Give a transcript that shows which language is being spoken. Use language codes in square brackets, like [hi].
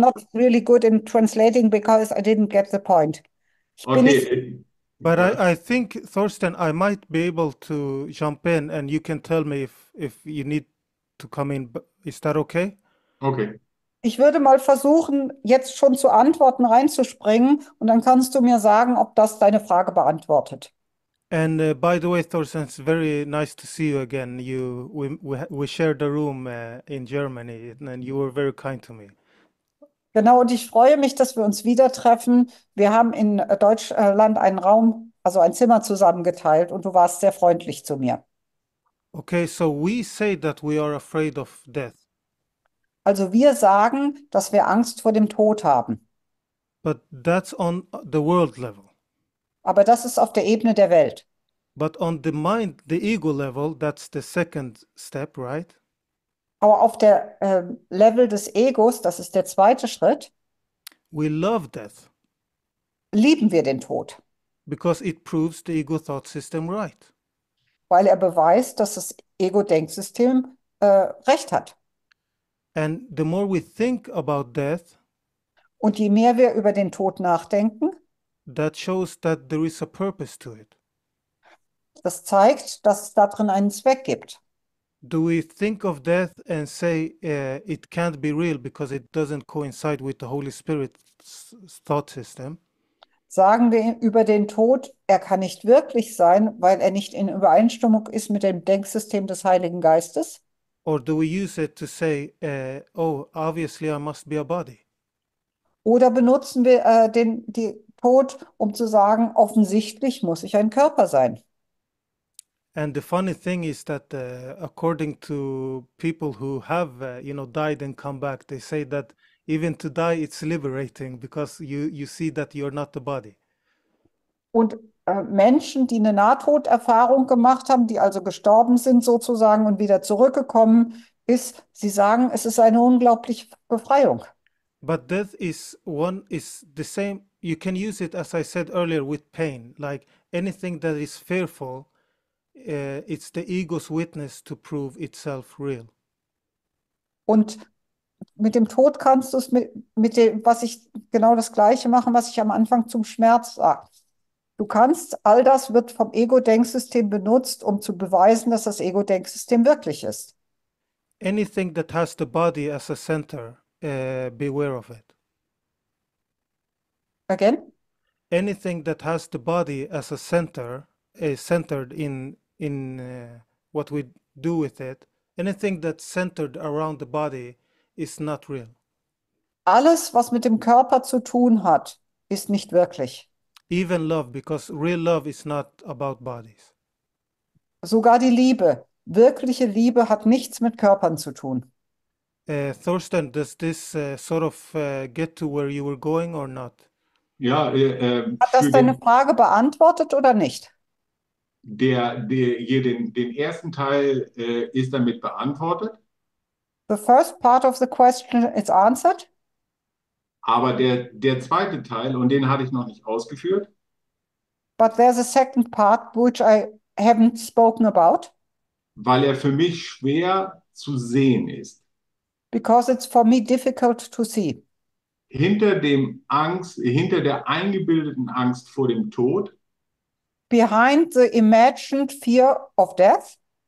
[en] not really good in translating because I didn't get the point. [de] Ich bin nicht. [en] Okay. But [de] Ja. [en] I think, Thorsten, I might be able to jump in and you can tell me if you need to come in. Is that okay? Okay. [de] Ich würde mal versuchen, jetzt schon zu Antworten reinzuspringen und dann kannst du mir sagen, ob das deine Frage beantwortet. [en] And by the way, Thorsten, it's very nice to see you again. We shared a room in Germany and you were very kind to me. [de] Genau, und ich freue mich, dass wir uns wieder treffen. Wir haben in Deutschland einen Raum, also ein Zimmer zusammengeteilt und du warst sehr freundlich zu mir. [en] Okay, so we say that we are afraid of death. [de] Also wir sagen, dass wir Angst vor dem Tod haben. [en] But that's on the world level. [de] Aber das ist auf der Ebene der Welt. [en] But on the mind, the ego level, that's the second step, right? [de] Aber auf der Level des Egos, das ist der zweite Schritt, [en] We love death. [de] lieben wir den Tod. [en] Because it proves the ego thought system right. [de] Weil er beweist, dass das Ego-Denksystem recht hat. [en] And the more we think about death, [de] Und je mehr wir über den Tod nachdenken, [en] that shows that there is a purpose to it. [de] Das zeigt, dass es darin einen Zweck gibt. [en] Do we think of death and say it can't be real because it doesn't coincide with the Holy Spirit's thought system? [de] Sagen wir über den Tod, er kann nicht wirklich sein, weil er nicht in Übereinstimmung ist mit dem Denksystem des Heiligen Geistes? [en] Or do we use it to say, oh, obviously I must be a body? [de] Oder benutzen wir den Tod, um zu sagen, offensichtlich muss ich ein Körper sein? [en] And the funny thing is that according to people who have died and come back, they say that even to die it's liberating because you see that you're not the body. [de] Und Menschen, die eine Nahtoderfahrung gemacht haben, die also gestorben sind sozusagen und wieder zurückgekommen ist, sie sagen, es ist eine unglaubliche Befreiung. [en] But death is the same. You can use it, as I said earlier, with pain. Like anything that is fearful, it's the ego's witness to prove itself real. [de] Und mit dem Tod kannst du es mit dem, was ich genau das Gleiche machen, was ich am Anfang zum Schmerz sage. Du kannst, all das wird vom Ego-Denksystem benutzt, um zu beweisen, dass das Ego-Denksystem wirklich ist. [en] Anything that has the body as a center. Beware of it. Again? Anything that has the body as a center, is centered in what we do with it, anything that's centered around the body is not real. [de] Alles, was mit dem Körper zu tun hat, ist nicht wirklich. [en] Even love, because real love is not about bodies. [de] Sogar die Liebe, wirkliche Liebe hat nichts mit Körpern zu tun. [en] Thorsten, does this sort of get to where you were going or not? [de] Ja, Hat das für deine den Frage beantwortet oder nicht? der der hier den ersten Teil ist damit beantwortet. [en] The first part of the question is answered. [de] Aber der zweite Teil, und den hatte ich noch nicht ausgeführt. [en] But there's a second part, which I haven't spoken about. [de] Weil er für mich schwer zu sehen ist. [en] Because it's for me difficult to see. [de] Hinter der eingebildeten Angst vor dem Tod [en] Behind the imagined fear of death.